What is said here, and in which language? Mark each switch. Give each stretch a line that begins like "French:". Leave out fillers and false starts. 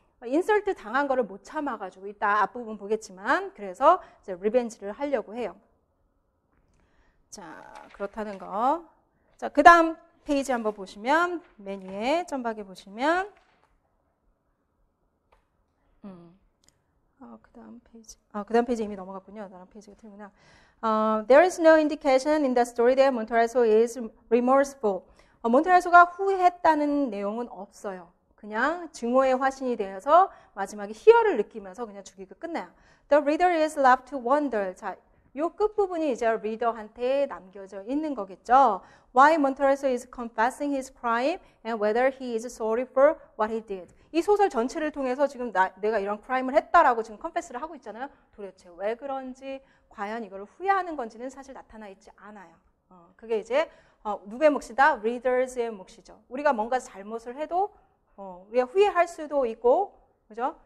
Korean: 인설트 당한 거를 못 참아가지고 이따 앞부분 보겠지만 그래서 이제 리벤지를 하려고 해요. 자, 그렇다는 거. 자, 그 다음 페이지 한번 보시면 맨 위에 점박에 보시면 그 다음 페이지 이미 넘어갔군요. 다른 페이지가 틀리구나.
English: There is no indication in the story that Montorazzo is remorseful.
Korean: 몬테라소가 후회했다는 내용은 없어요. 그냥 증오의 화신이 되어서 마지막에 희열을 느끼면서 그냥 죽이고 끝나요.
English: The reader is left to wonder.
Korean: 자, 요 끝부분이 이제 리더한테 남겨져 있는 거겠죠.
English: Why Montorazzo is confessing his crime and whether he is sorry for what he did.
Korean: 이 소설 전체를 통해서 지금 내가 이런 크라임을 했다라고 지금 컨패스를 하고 있잖아요. 도대체 왜 그런지, 과연 이걸 후회하는 건지는 사실 나타나 있지 않아요. 그게 이제 누구의 몫이다? Readers의 몫이죠. 우리가 뭔가 잘못을 해도 우리가 후회할 수도 있고, 그죠?